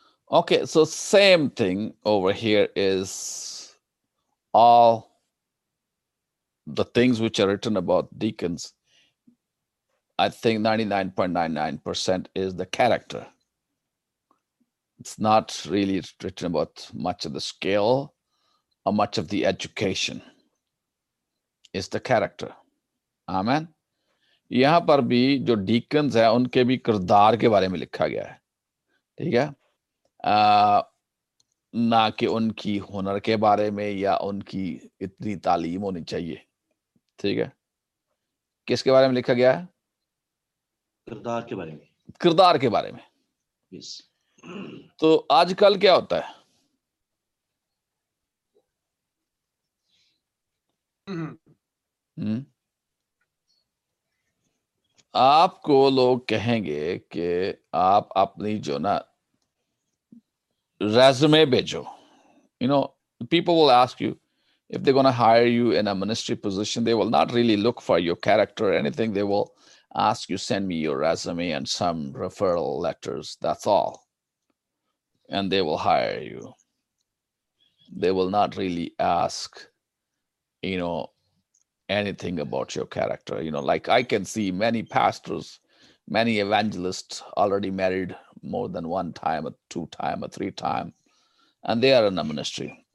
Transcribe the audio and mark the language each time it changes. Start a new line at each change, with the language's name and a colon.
English: Okay, so same thing over here is all the things which are written about deacons. I think 99.99% is the character. It's not really written about much of the skill or much of the education. It's the character. Amen.
Urdu: یہاں پر بھی جو ڈیکنز ہیں ان کے بھی کردار کے بارے میں لکھا گیا ہے, ٹھیک ہے, نہ کہ ان کی ہنر کے بارے میں یا ان کی اتنی تعلیم ہونی چاہیے, ٹھیک ہے. کس کے بارے میں لکھا گیا ہے؟ کردار کے بارے میں. تو آج کل کیا ہوتا ہے, آپ کو لوگ کہیں گے کہ آپ اپنی جو نا ریزومے بھیجو.
English: You know people will ask you if they gonna hire you in a ministry position, they will not really look for your character anything, they will ask you send me your resume and some referral letters, that's all, and they will hire you. They will not really ask, you know, anything about your character. You know, like I can see many pastors, many evangelists already married more than one time or two time or three time, and they are in a ministry.